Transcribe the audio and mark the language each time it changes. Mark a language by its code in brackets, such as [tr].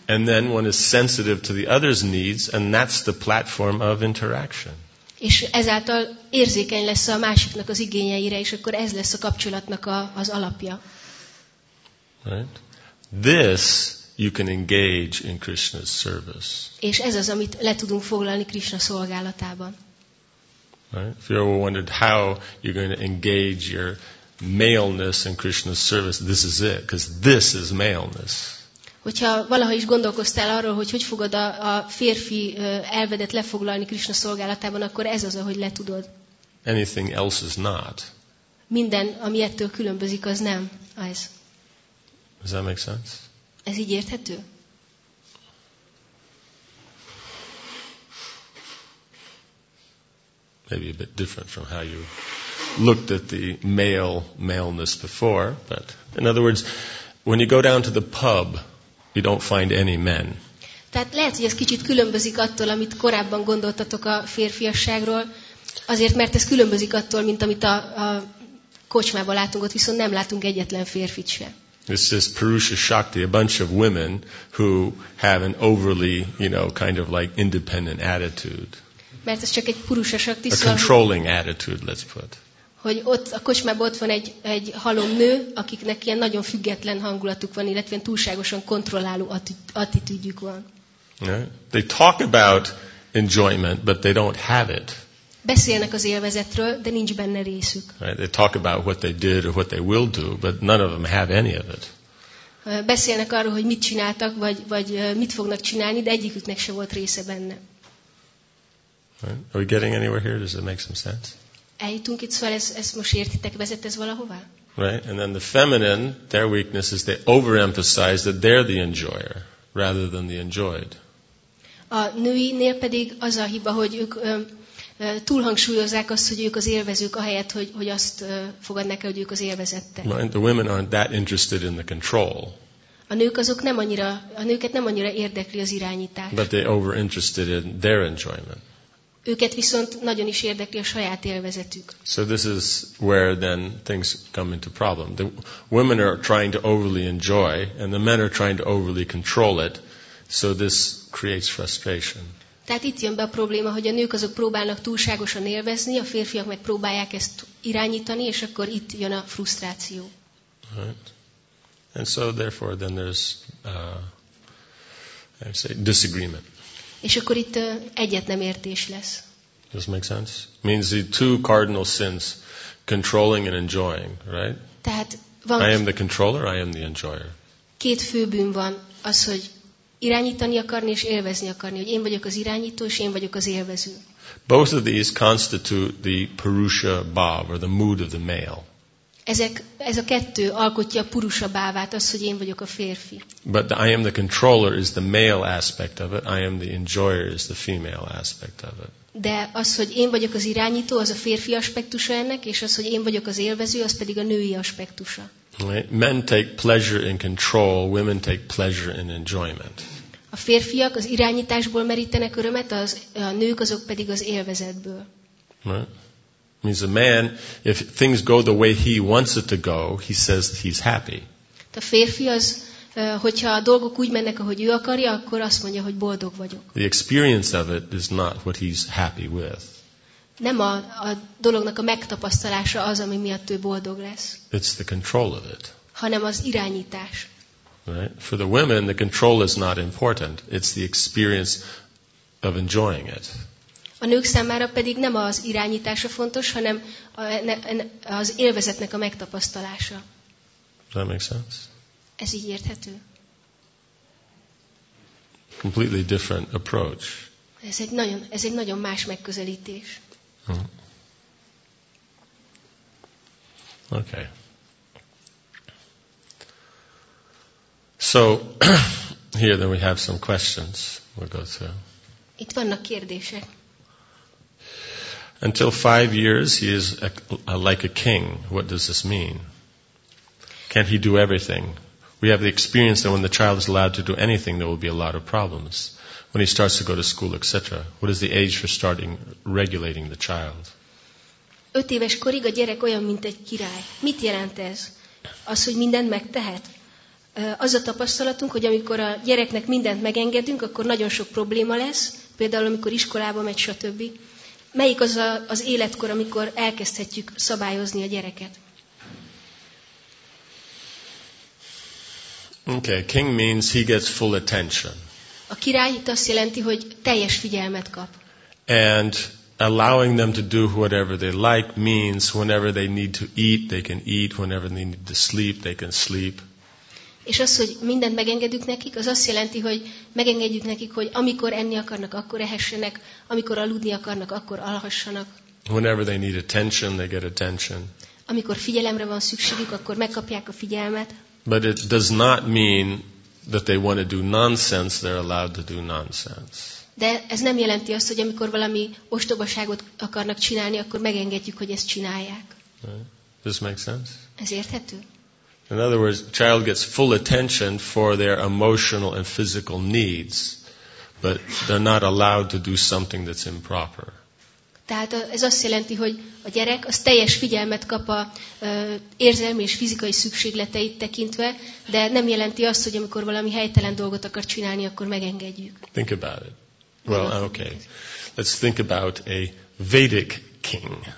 [en] And then one is sensitive to the other's needs, and that's the platform of interaction. [hu] És ezáltal érzékeny lesz a másiknak az igényeire, és akkor ez lesz a kapcsolatnak az alapja. [en] Right? This you can engage in Krishna's service. [hu] És ez az, amit le tudunk foglalni Krishna szolgálatában. [en] Right? If you ever wondered how you're going to engage your maleness in Krishna's service, this is it, because this is maleness. [hu] Hogyha valaha is gondolkoztál arról, hogy hogy fogod a férfi elvedet lefoglalni Krishna szolgálatában, akkor ez az, ahogy le tudod. [en] Anything else is not. [hu] Minden, ami ettől különbözik, az nem ez. [en] Does that make sense? [hu] Ez így érthető? [en] Maybe a bit different from how you looked at the maleness before, but in other words, when you go down to the pub, you don't find any men. [hu] Tehát lehet, hogy ez kicsit különbözik attól, amit korábban gondoltatok a férfiasságról, azért, mert ez különbözik attól, mint amit a kocsmában látunk, ott viszont nem látunk egyetlen férfit se. [en] This is Purusha Shakti, a bunch of women who have an overly, you know, kind of like independent attitude. [hu] Mert ez csak egy Purusha Shakti, [en] a controlling attitude, let's put. [hu] Hogy ott a kocsmában ott van egy halom nő, akiknek ilyen nagyon független hangulatuk van, illetve túlságosan kontrolláló attitűdjük van. [en] Yeah. They talk about enjoyment, but they don't have it. [hu] Beszélnek az élvezetről, de nincs benne részük. [en] Right. They talk about what they did or what they will do, but none of them have any of it. [hu] Beszélnek arról, hogy mit csináltak, vagy mit fognak csinálni, de egyiküknek se volt része benne. [en] Right. Are we getting anywhere here? Does it make some sense? [hu] Eljutunk itt, szóval ez most értitek, vezet ez valahová? [en] Right, and then the feminine, their weakness is they overemphasize that they're the enjoyer rather than the enjoyed. [hu] A nőinél pedig az a hiba, hogy ők túlhangsúlyozzák azt, hogy ők az élvezők, ahelyett, hogy azt fogadnák el, hogy ők az élvezettek. [en] Right, the women aren't that interested in the control. [hu] A nők azok nem annyira, a nőket nem annyira érdekli az irányítás. [en] But they overinterested in their enjoyment. [hu] Őket viszont nagyon is érdekli a saját élvezetük. [en] So this is where then things come into problem. The women are trying to overly enjoy and the men are trying to overly control it. So this creates frustration. [hu] Tehát itt jön be a probléma, hogy a nők azok próbálnak túlságosan élvezni, a férfiak meg próbálják ezt irányítani, és akkor itt jön a frusztráció. [en] Right. And so therefore then there's disagreement. [hu] És akkor itt egyetlen értés lesz. [en] Does it make sense? Means the two cardinal sins, controlling and enjoying, right? [hu] Tehát van, [en] I am the controller, I am the enjoyer. [hu] Két fő bűn van, az, hogy irányítani akarni és élvezni akarni, hogy én vagyok az irányító és én vagyok az élvező. [en] Both of these constitute the Purusha Bhava, or the mood of the male. [hu] Ez a kettő alkotja a Purusha Bhavát, az, hogy én vagyok a férfi. [en] But the, I am the controller is the male aspect of it. I am the enjoyer is the female aspect of it. [hu] De az, hogy én vagyok az irányító, az a férfi aspektusa ennek, és az, hogy én vagyok az élvező, az pedig a női aspektusa. [en] Right? Men take pleasure in control, women take pleasure in enjoyment. [hu] A férfiak az irányításból merítenek örömet, a nők azok pedig az élvezetből. [en] Right? Means a man, if things go the way he wants it to go, he says he's happy. [hu] A férfi az, hogyha a dolgok úgy mennek, ahogy ő akarja, akkor azt mondja, hogy boldog vagyok. [en] The experience of it is not what he's happy with. [hu] Nem a dolognak a megtapasztalása az, ami miatt ő boldog lesz. [en] It's the control of it. [hu] Hanem az irányítás. [en] Right? For the women, the control is not important. It's the experience of enjoying it. [hu] A nők számára pedig nem az irányítása fontos, hanem az élvezetnek a megtapasztalása. [en] Does that make sense? [hu] Ez így érthető. [en] Completely different approach. [hu] Ez egy nagyon más megközelítés. Hmm. [en] Okay. So here then we have some questions. We'll go through. [hu] Itt vannak kérdések. [en] Until 5 years, he is like a king. What does this mean? Can he do everything? We have the experience that when the child is allowed to do anything, there will be a lot of problems. When he starts to go to school, etc. What is the age for starting regulating the child? [hu] 5 éves korig a gyerek olyan, mint egy király. Mit jelent ez? Az, hogy mindent megtehet? Az a tapasztalatunk, hogy amikor a gyereknek mindent megengedünk, akkor nagyon sok probléma lesz, például amikor iskolába megy, stb. Melyik az az életkor, amikor elkezdhetjük szabályozni a gyereket? [en] Okay, king means he gets full attention. [hu] A király itt azt jelenti, hogy teljes figyelmet kap. [en] And allowing them to do whatever they like means whenever they need to eat, they can eat, whenever they need to sleep, they can sleep. [hu] És az, hogy mindent megengedünk nekik, az azt jelenti, hogy megengedjük nekik, hogy amikor enni akarnak, akkor ehessenek, amikor aludni akarnak, akkor alhassanak. [en] Whenever they need attention, they get attention. [hu] Amikor figyelemre van szükségük, akkor megkapják a figyelmet. [en] But it does not mean that they want to do nonsense, they're allowed to do nonsense. [hu] De ez nem jelenti azt, hogy amikor valami ostobaságot akarnak csinálni, akkor megengedjük, hogy ezt csinálják. [en] Right. This makes sense? [hu] Ez érthető? [en] In other words, child gets full attention for their emotional and physical needs, but they're not allowed to do something that's improper. [hu] Tehát ez azt jelenti, hogy a gyerek az teljes figyelmet kap a érzelmi és fizikai szükségleteit tekintve, de nem jelenti azt, hogy amikor valami helytelen dolgot akar csinálni, akkor megengedjük. [en] Think about it. Well, okay. Let's think about a Vedic king.